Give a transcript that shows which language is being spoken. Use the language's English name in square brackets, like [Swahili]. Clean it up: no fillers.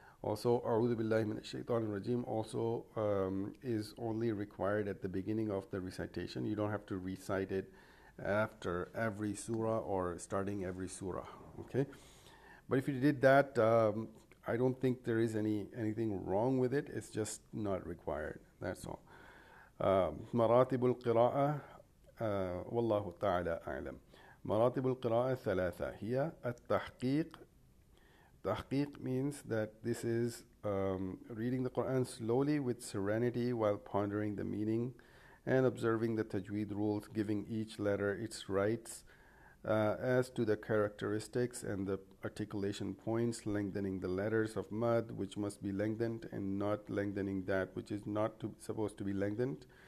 [English] Also, A'udhu Billahi Minash Shaitanir Rajeem also is only required at the beginning of the recitation. You don't have to recite it after every surah or starting every surah. Okay, but if you did that, I don't think there is anything wrong with it. It's just not required. That's all. [Arabic] مراتب القراءة والله تعالى أعلم. مراتب القراءة ثلاثة هي التحقيق. [English] تحقيق means that this is reading the Quran slowly with serenity while pondering the meaning and observing the tajweed rules, giving each letter its rights. As to the characteristics and the articulation points, lengthening the letters of mad, which must be lengthened, and not lengthening that which is not to, supposed to be lengthened.